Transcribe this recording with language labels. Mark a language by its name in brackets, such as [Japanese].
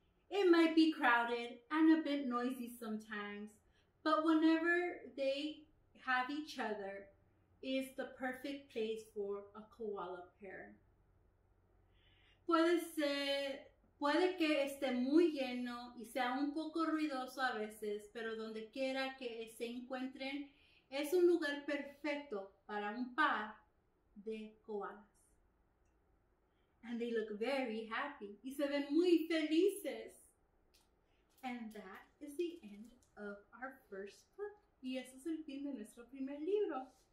[English] It might be crowded and a bit noisy sometimes, but whenever they have each other, is the perfect place for a koala pair. [Spanish] Puede que esté muy lleno y sea un poco ruidoso a veces, pero donde quiera que se encuentren, es un lugar perfecto para un par de koalas. [English] And they look very happy. [Spanish] Y se ven muy felices. [English] And that is the end of our first book. [Spanish] Y ese es el fin de nuestro primer libro.